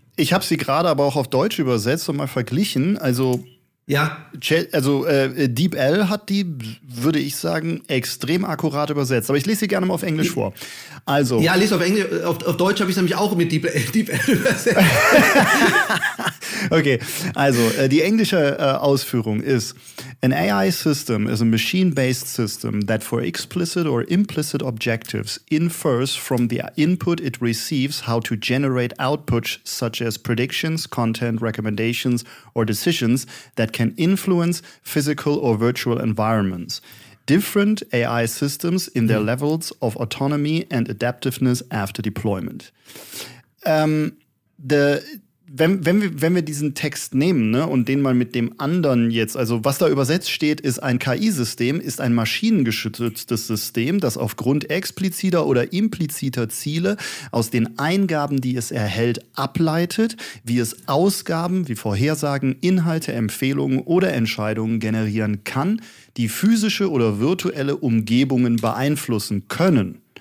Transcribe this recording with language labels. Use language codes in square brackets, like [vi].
[de] Ich habe sie gerade aber auch auf Deutsch übersetzt und mal verglichen. Also ja, DeepL hat die, würde ich sagen, extrem akkurat übersetzt. Aber ich lese sie gerne mal auf Englisch vor. Also ja, lese auf Englisch. Auf Deutsch habe ich es nämlich auch mit DeepL übersetzt. [en] Okay, [de] also die englische Ausführung ist: [en] An AI system is a machine-based system that for explicit or implicit objectives infers from the input it receives how to generate outputs such as predictions, content, recommendations or decisions that can influence physical or virtual environments. Different AI systems in their levels of autonomy and adaptiveness after deployment. [de] Wenn wir diesen Text nehmen, ne, und den mal mit dem anderen jetzt, also was da übersetzt steht, ist ein KI-System, ist ein maschinengeschütztes System, das aufgrund expliziter oder impliziter Ziele aus den Eingaben, die es erhält, ableitet, wie es Ausgaben wie Vorhersagen, Inhalte, Empfehlungen oder Entscheidungen generieren kann, die physische oder virtuelle Umgebungen beeinflussen können.